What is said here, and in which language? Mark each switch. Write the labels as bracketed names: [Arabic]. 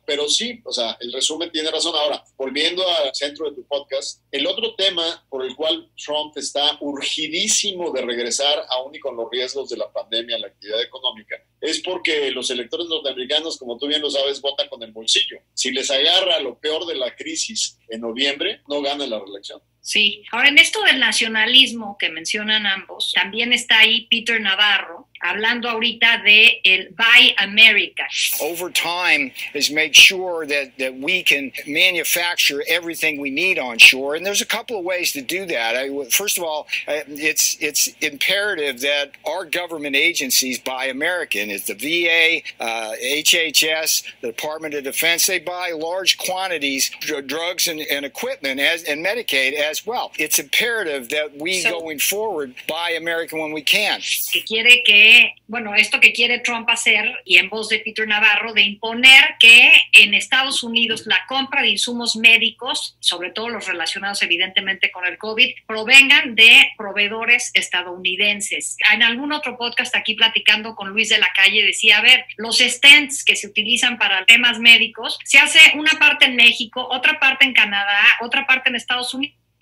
[Spanish] Pero sí, o sea, el resumen tiene razón. Ahora, volviendo al centro de tu podcast, el otro tema por el cual Trump está urgidísimo de regresar, aún y con los riesgos de la pandemia, la actividad económica, es porque los electores norteamericanos, como tú bien lo sabes, votan con el bolsillo. Si les agarra lo peor de la crisis en noviembre, no gana la reelección. Sí. Ahora, en esto del nacionalismo que mencionan ambos, también está ahí Peter Navarro hablando ahorita de el Buy America. [English] Over time has made sure that we can manufacture everything we need onshore, and there's a couple of ways to do that. First of all, it's imperative that our government agencies buy American. It's the VA, HHS, the Department of Defense. They buy large quantities of drugs and equipment and Medicaid as well. It's imperative that we going forward buy American when we can. [Spanish] Que quiere que, bueno, esto que quiere Trump hacer, y en voz de Peter Navarro, de imponer que en Estados Unidos la compra de insumos médicos, sobre todo los relacionados evidentemente con el COVID, provengan de proveedores estadounidenses. En algún otro podcast aquí platicando con Luis de la Calle decía, a ver, los stents que se utilizan para temas médicos, se hace una parte en México, otra parte en Canadá, otra parte en Estados Unidos.